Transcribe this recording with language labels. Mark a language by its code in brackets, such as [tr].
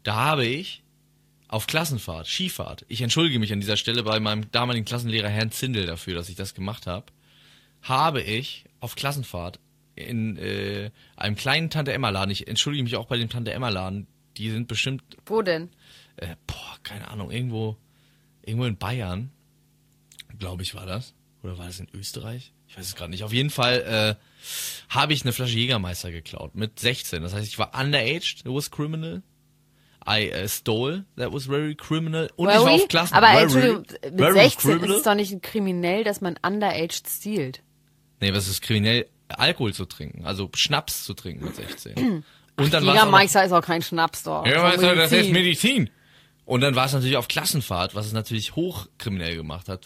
[de] Da habe ich auf Klassenfahrt, Skifahrt, ich entschuldige mich an dieser Stelle bei meinem damaligen Klassenlehrer Herrn Zindel dafür, dass ich das gemacht habe, habe ich auf Klassenfahrt in einem kleinen Tante-Emma-Laden, ich entschuldige mich auch bei dem Tante-Emma-Laden, die sind bestimmt... Wo denn? Keine Ahnung, irgendwo in Bayern, glaube ich, war das. Oder war das in Österreich? Ich weiß es gerade nicht. Auf jeden Fall habe ich eine Flasche Jägermeister geklaut mit 16. Das heißt, ich war underaged, [en] it was criminal. I stole, that was very criminal. [de] Und [en] very? [de] Ich war auf Klassen. Aber [en] very, [de] Entschuldigung, mit 16 criminal? Ist es doch nicht ein kriminell, dass man underaged stealt. Nee, was ist kriminell? Alkohol zu trinken, also Schnaps zu trinken mit 16. Und dann Jägermeister ist auch kein Schnaps, doch. Jägermeister, das ist Medizin. Und dann war es natürlich auf Klassenfahrt, was es natürlich hochkriminell gemacht hat.